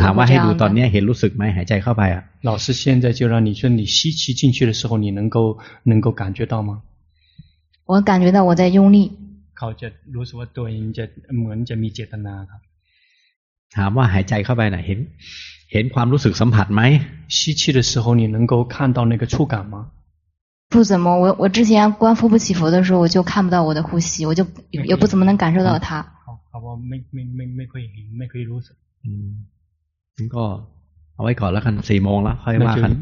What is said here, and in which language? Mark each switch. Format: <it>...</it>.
<th>ถามว่าให้ดูตอนนี้เห็นรู้สึกไหมหายใจเข้าไปอ่ะ</th> <zh>老师现在就让你说你吸气进去的时候你能够感觉到吗我感觉到我在用力</zh> <th>เขาจะรู้สึกว่าตัวเองจะเหมือนจะมีเจตนาครับ ถามว่าหายใจเข้าไปไหนเห็นความรู้สึกสัมผัสไหม</th> <zh>吸气的时候你能够看到那个触感吗不怎么我之前观腹部起伏的时候我就看不到我的呼吸我就也不怎么能感受到它好吧没可以没可以如此</zh> <th>嗯那个เอาไว้ก่อนแล้วกัน4โมงแล้วค่อยว่ากัน</th>